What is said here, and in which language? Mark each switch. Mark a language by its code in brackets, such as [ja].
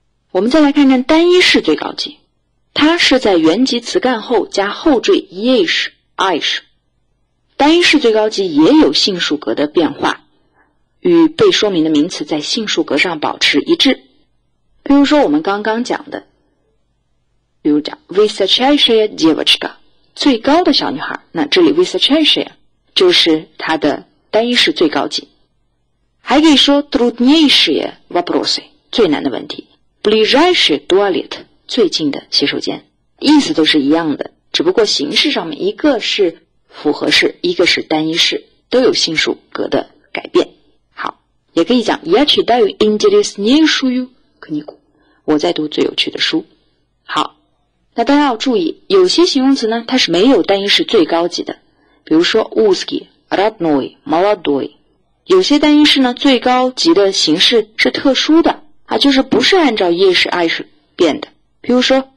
[zh] 我们再来看看单一式最高级，它是在原级词干后加后缀 ish ish。单一式最高级也有性数格的变化，与被说明的名词在性数格上保持一致。比如说我们刚刚讲的，比如讲 [ru] высочайшая девочка， [zh] 最高的小女孩，那这里 высочайшая 就是她的单一式最高级。 [ru] 还可以说 труднейшие вопросы， [zh] 最难的问题， [ru] ближайший туалет， [zh] 最近的洗手间，意思都是一样的，只不过形式上面一个是复合式，一个是单一式，都有性数格的改变。好，也可以讲 [ru] я читаю интереснейшую книгу， [zh] 我在读最有趣的书。好，那大家要注意，有些形容词呢它是没有单一式最高级的，比如说 узкий、 [ru] родной、 [zh] молодой，有些单一式呢最高级的形式是特殊的啊，就是不是按照夜式爱式变的，比如说